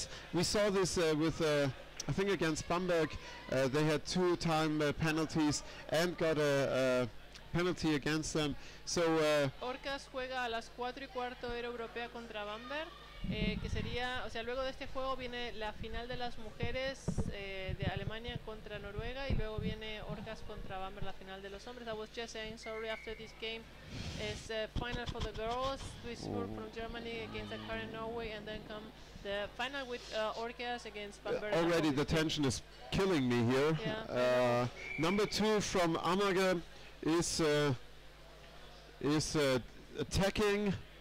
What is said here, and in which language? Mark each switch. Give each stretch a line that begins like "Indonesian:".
English: We saw this with I think against Bamberg, they had 2 time penalties and got a penalty against them. So.
Spanish: Orcas juega a las 4:15 era europea contra Bamberg. Que sería, o sea, luego de este juego viene la final de las mujeres de Alemania contra Noruega y luego viene Orcas contra Bamberg la final de los hombres.
English: I was just saying sorry after this game is final for the girls, Duisburg from Germany against the current Norway and then come the final with Orcas against Bamberg. Already the tension is killing me here. Yeah. Number 2 from Amager is attacking.